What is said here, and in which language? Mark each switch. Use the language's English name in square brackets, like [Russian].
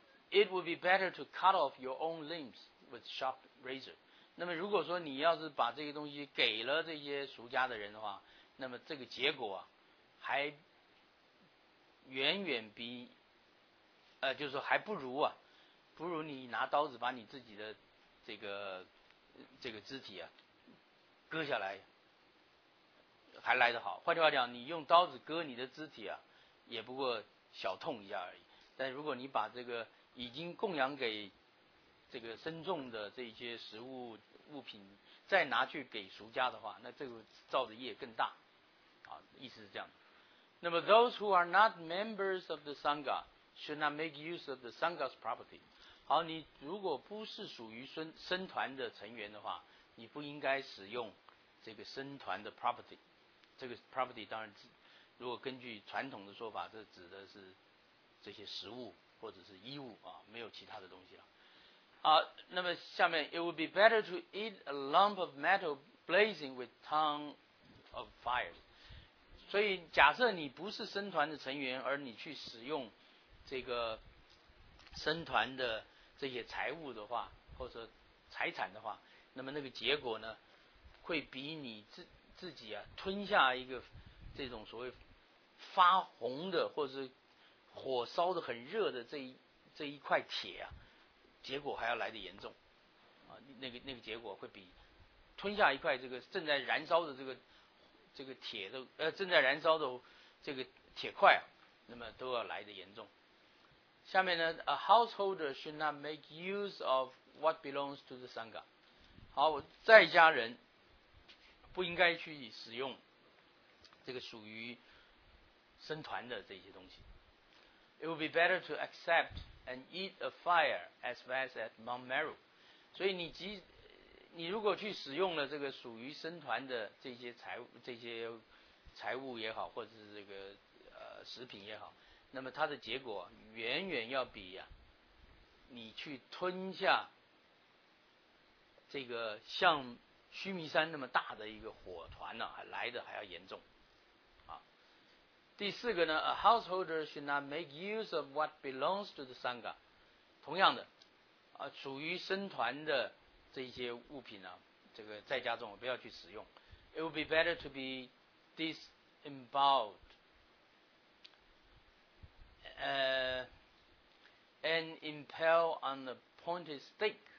[English] It would be better to cut off your own limbs with sharp razor. [Chinese] 那么如果说你要是把这些东西给了这些俗家的人的话，那么这个结果啊，还远远比就是说还不如你拿刀子把你自己的这个肢体啊割下来还来得好。换句话讲，你用刀子割你的肢体啊，也不过小痛一下而已。但如果你把这个已经供养给这个僧众的这些食物物品再拿去给俗家的话，那这个造的业更大啊，意思是这样的。那么 [English] those who are not members of the Sangha should not make use of the Sangha's property。 [Chinese] 好，你如果不是属于僧团的成员的话，你不应该使用这个僧团的 property。这个 property 当然如果根据传统的说法，这指的是这些食物或者是衣物啊，没有其他的东西了。好，那么下面 [English] ，It would be better to eat a lump of metal blazing with tongue of fires. [Chinese] 所以假设你不是僧团的成员，而你去使用这个僧团的这些财物的话，或者财产的话，那么那个结果呢，会比你自己啊吞下一个这种所谓发红的或者是火烧的很热的这一块铁啊，结果还要来得严重啊，那个结果会比吞下一块这个正在燃烧的这个铁的正在燃烧的这个铁块啊，那么都要来得严重。下面呢 [English] ，A householder should not make use of what belongs to the sangha。 [Chinese] 好，在家人不应该去使用这个属于僧团的这些东西。 [English] It would be better to accept and eat a fire as was at Mount Meru。 [Chinese] 所以你如果去使用了这个属于僧团的这些财物也好，或者是这个食品也好，那么它的结果远远要比啊你去吞下这个像须弥山那么大的一个火团呢、啊、来的还要严重。第四个呢 [English] ，A householder should not make use of what belongs to the sangha。 [Chinese] 同样的，啊，属于僧团的这些物品呢、啊，这个在家中不要去使用。 [English] It would be better to be disemboweled, and impaled on a pointed stick。